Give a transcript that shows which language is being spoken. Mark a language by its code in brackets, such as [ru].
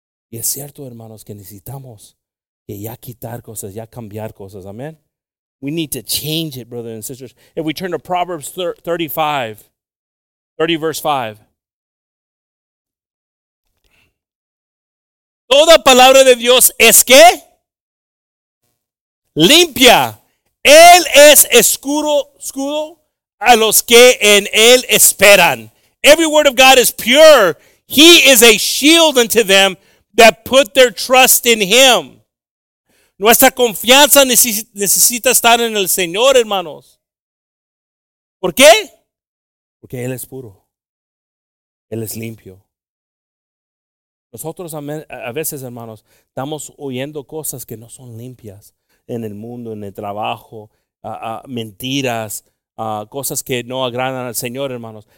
[es] Y es cierto, hermanos, que necesitamos que ya quitar cosas, ya cambiar cosas. Amen. [en] We need to change it, brothers and sisters. If we turn to Proverbs 30 verse 5. [es] Toda palabra de Dios es que limpia. Él es escudo a los que en él esperan. [en] Every word of God is pure. He is a shield unto them that put their trust in him. [es] Nuestra confianza necesita estar en el Señor, hermanos. ¿Por qué? Porque Él es puro. Él es limpio. Nosotros a veces, hermanos, estamos oyendo cosas que no son limpias en el mundo, en el trabajo, mentiras, cosas que no agradan al Señor, hermanos.